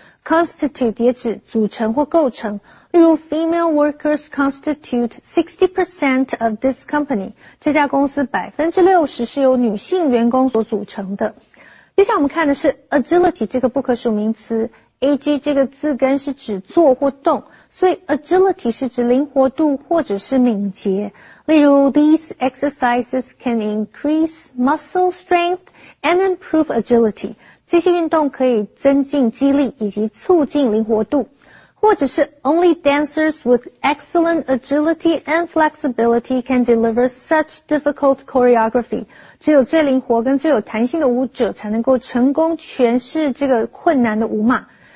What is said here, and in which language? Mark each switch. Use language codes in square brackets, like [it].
[en] constitute [zh] 也指组成或构成。例如 [en] female workers constitute 60% of this company. [zh] 这家公司 60% 是由女性员工所组成的。接下来我们看的是 agility 这个不可数名词。AG 这个字根是指做或动。所以 agility 是指灵活度或者是敏捷。例如 [en] ,these exercises can increase muscle strength and improve agility. [zh] 这些运动可以增进肌力以及促进灵活度。或者是 [en] ,only dancers with excellent agility and flexibility can deliver such difficult choreography. [zh] 只有最灵活跟最有弹性的舞者才能够成功诠释这个困难的舞码。